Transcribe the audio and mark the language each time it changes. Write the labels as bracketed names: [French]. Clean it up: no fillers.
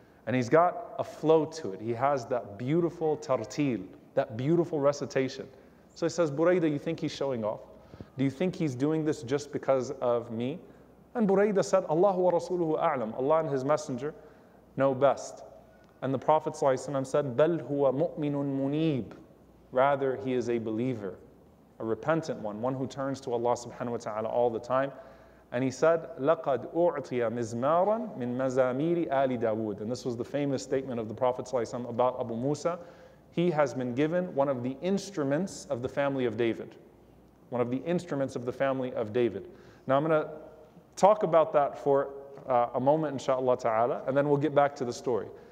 [English] And he's got a flow to it. He has that beautiful tartil, that beautiful recitation. So he says, Burayda, you think he's showing off? Do you think he's doing this just because of me? And Burayda said, [Arabic] Allahu wa rasuluhu a'lam. [English] Allah and his messenger know best. And the Prophet ﷺ said, [Arabic] بَلْ هُوَ مُؤْمِنٌ مُنِيبٌ. [English] Rather, he is a believer, a repentant one, one who turns to Allah subhanahu wa ta'ala all the time. And he said, [Arabic] لَقَدْ أُعْطِيَ مِزْمَارًا مِنْ مَزَامِيرِ آلِ دَاوُودٍ. [English] And this was the famous statement of the Prophet ﷺ about Abu Musa. He has been given one of the instruments of the family of David. One of the instruments of the family of David. Now I'm going to talk about that for a moment, inshaAllah ta'ala, and then we'll get back to the story.